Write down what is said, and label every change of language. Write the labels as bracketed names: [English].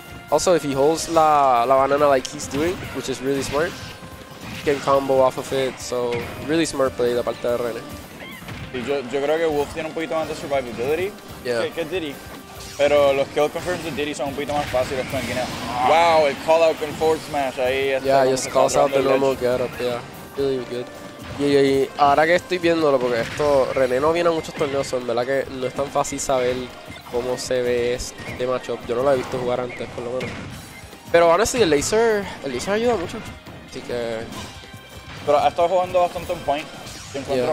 [English] Also, if he holds la banana like he's doing, which is really smart, he can combo off of it, so really smart play de parte de René. [Spanish] Sí, yo creo que Wolf tiene un poquito más de survivability que Diddy. Pero los kill confirms de Diddy son un poquito más fáciles con Guinea. Wow, el call out con forward smash ahí. [English] Just calls out the normal get up, Really good. [Spanish] Y ahora que estoy viéndolo, porque esto, René no viene a muchos torneos, en verdad que no es tan fácil saber cómo se ve este matchup. Yo no lo he visto jugar antes, por lo menos. Pero honestly, el laser ayuda mucho. Así que. Pero ha estado jugando bastante en point, yo encuentro.